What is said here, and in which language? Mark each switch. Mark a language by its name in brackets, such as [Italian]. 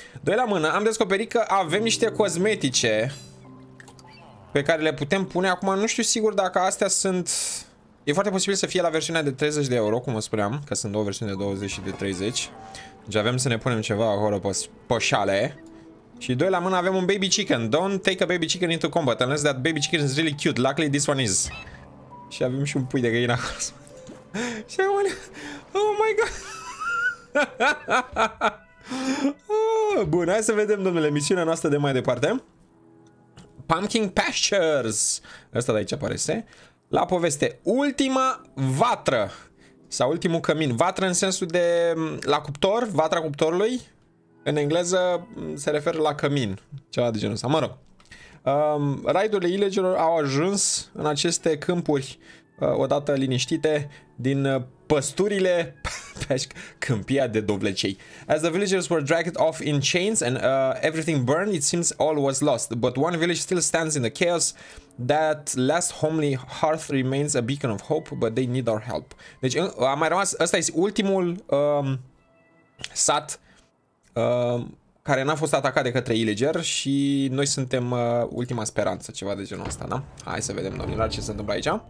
[Romanian] Doi la mână, am descoperit că avem niște cosmetice pe care le putem pune acum, nu știu sigur dacă astea sunt... E foarte posibil să fie la versiunea de 30 de euro, cum vă spuneam, că sunt două versiuni de 20 și de 30. Deci avem să ne punem ceva acolo pe șale. Și doi la mână avem un baby chicken. [English] Don't take a baby chicken into combat unless that baby chicken is really cute. Luckily this one is. [Romanian] Și avem și un pui de găină acolo. Și acum... [English] Oh my god! [Romanian] Bun, hai să vedem, domnule, misiunea noastră de mai departe. Pumpkin Pastures! Asta de aici aparese. La poveste, ultima vatră sau ultimul cămin. Vatră în sensul de la cuptor, vatra cuptorului. În engleză se referă la cămin, ceva de genul ăsta. Mă rog, raidurile ilegilor au ajuns în aceste câmpuri odată liniștite din păsturile, câmpia de dovlecei. [English] As the villagers were dragged off in chains and everything burned, it seems all was lost. But one village still stands in the chaos. That last homely hearth remains a beacon of hope, but they need our help. [Romanian] Deci a mai rămas, ăsta este ultimul sat care n-a fost atacat de către illager și noi suntem ultima speranță, ceva de genul ăsta, da? Hai să vedem, domnilor, ce se întâmplă aici.